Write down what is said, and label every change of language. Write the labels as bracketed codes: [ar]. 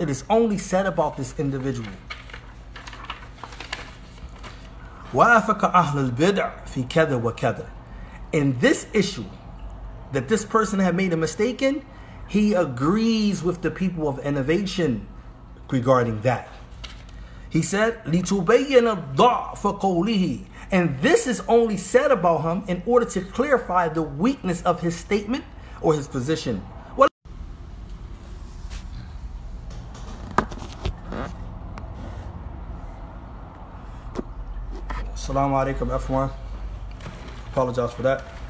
[en] It is only said about this individual. [ar] وَأَفَكَ أَهْلُ الْبِدْعِ فِي كَذَا وَكَذَا. [en] In this issue that this person had made a mistake in, he agrees with the people of innovation regarding that. He said, [ar] لِتُبَيَّنَ ضَعْفَ قَوْلِهِ. [en] And this is only said about him in order to clarify the weakness of his statement or his position. Well, huh? Assalamu alaikum, F1. Apologize for that.